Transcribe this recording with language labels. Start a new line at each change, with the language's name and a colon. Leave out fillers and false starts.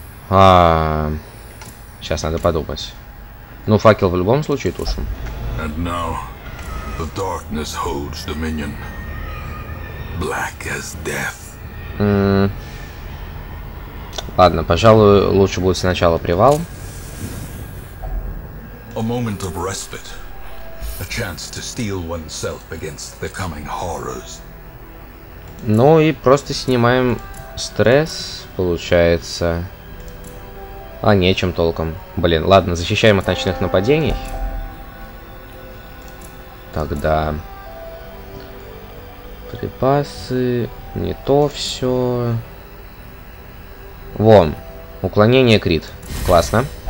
Russian: Сейчас надо подумать. Ну, факел в любом случае тушим.
English: And now the darkness holds dominion. Black as death.
Russian: Ладно, пожалуй, лучше будет сначала привал.
English: A moment of respite. A chance to steel oneself against the coming horrors.
Russian: Ну и просто снимаем стресс, получается. А нечем толком. Блин, ладно, защищаем от ночных нападений. Тогда... припасы... не то все. Вон. Уклонение крит. Классно.